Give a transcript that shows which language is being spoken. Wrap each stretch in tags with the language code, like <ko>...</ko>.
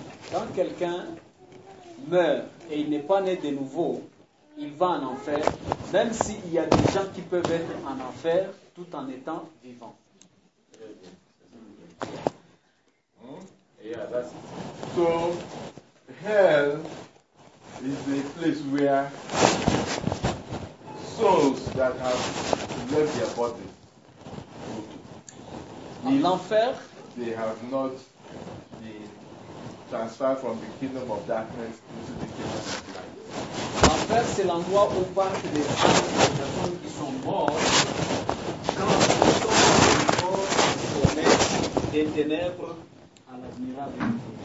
<fr>Quand quelqu'un meurt et il n'est pas né de nouveau, il va en enfer, même s'il y a des gens qui peuvent être en enfer tout en étant vivant.</fr> <en>So hell is the place where souls that have left their bodies go to.</en> <fr>L'enfer,</fr> <en>they have not transfer from the kingdom of darkness into the kingdom of light.</en> <fr>L'enfer, c'est l'endroit où partent les gens qui sont morts quand ils sont morts pour mettre des ténèbres à l'admirable.</fr>